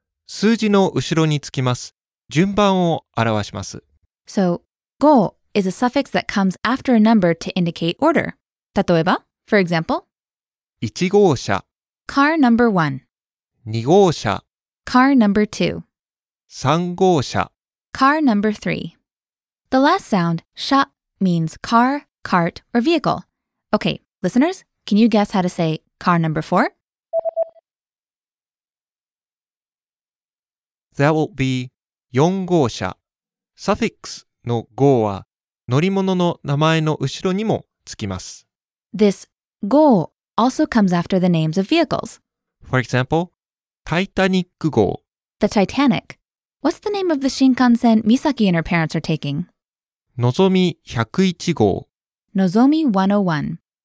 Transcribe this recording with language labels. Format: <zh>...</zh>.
<ja>数字の後ろにつきます。順番を表します。</ja> <en>So, go is a suffix that comes after a number to indicate order. 例えば、for example,</en> <ja>1号車</ja> <en>car number 1</en> <ja>2号車</ja> <en>car number 2</en> <ja>3号車</ja> <en>car number 3 The last sound, 車 means car, cart, or vehicle. Okay, listeners, can you guess how to say car number 4? That will be 4号車。</en> <ja>Suffix の号は乗り物の名前の後ろにもつきます。</ja> <en>This 号 also comes after the names of vehicles. For example, Titanic 号。 The Titanic. What's the name of the 新幹線 Misaki and her parents are taking?</en> <ja>のぞみ101号。のぞみ101。</ja>